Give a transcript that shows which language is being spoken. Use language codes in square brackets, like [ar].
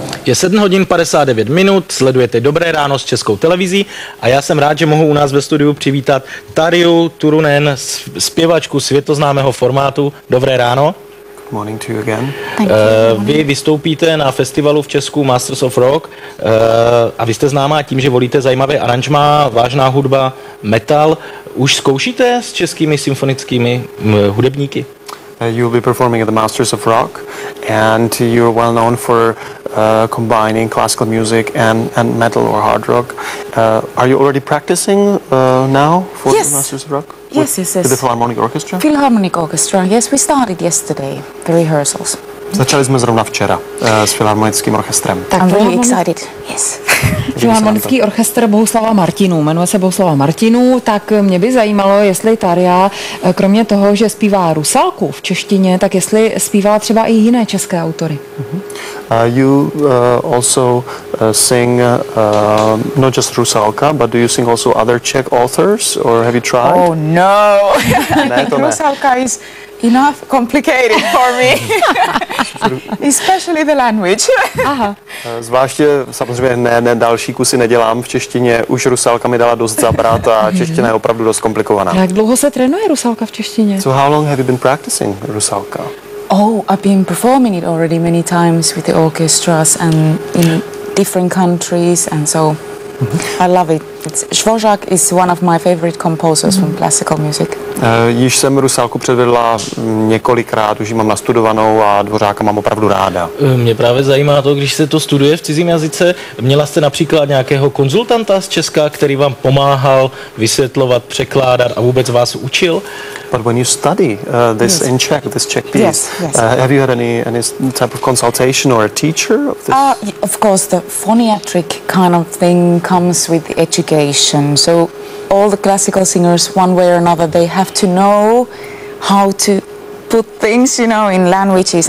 [cs] Je 7 hodin 59 minut, sledujete Dobré ráno s Českou televizí a já jsem rád, že mohu u nás ve studiu přivítat Tariu Turunen, zpěvačku světoznámého formátu. Dobré ráno. [en] Good morning to you again. [cs] Vy vystoupíte na festivalu v Česku Masters of Rock a vy jste známá tím, že volíte zajímavé aranžmá, vážná hudba, metal. Už zkoušíte s českými symfonickými hudebníky? [en] You'll be performing at the Masters of Rock, and you're well known for combining classical music and metal or hard rock. Are you already practicing now for yes. the Masters of Rock? Yes. The Philharmonic Orchestra? Philharmonic Orchestra, yes. We started yesterday, the rehearsals. [cs] Začali jsme zrovna včera s Filharmonickým orchestrem. [en] Tak I'm very excited, yes. [cs] Filharmonický orchestr Bohuslava Martinů, jmenuje se Bohuslava Martinů, tak mě by zajímalo, jestli Tarja, kromě toho, že zpívá Rusalku v češtině, tak jestli zpívá třeba i jiné české autory. [en] You also sing not just Rusalka, but do you sing also other Czech authors, or have you tried? Oh no, Rusalka is... Enough complicated for me, especially the language. [cs] Zvláště samozřejmě ne další kusy nedělám v češtině, už Rusalka mi dala dost zabrat a čeština je opravdu dost komplikovaná. Jak dlouho se trénuje Rusalka v češtině? [en] So how long have you been practicing Rusalka? Oh, I've been performing it already many times with the orchestras and in different countries and so I love it. Švořák is one of my favorite composers from classical music. [cs] Již jsem Rusalku předvedla několikrát, už ji mám nastudovanou a Dvořáka mám opravdu ráda. Mě právě zajímá to, když se to studuje v cizím jazyce, měla jste například nějakého konzultanta z Česka, který vám pomáhal vysvětlovat, překládat a vůbec vás učil? [en] But when you study this yes. in Czech, this Czech piece, yes. Have you had any type of consultation or a teacher? Of course, the phoniatric kind of thing comes with education. So all the classical singers, one way or another, they have to know how to put things, you know, in languages.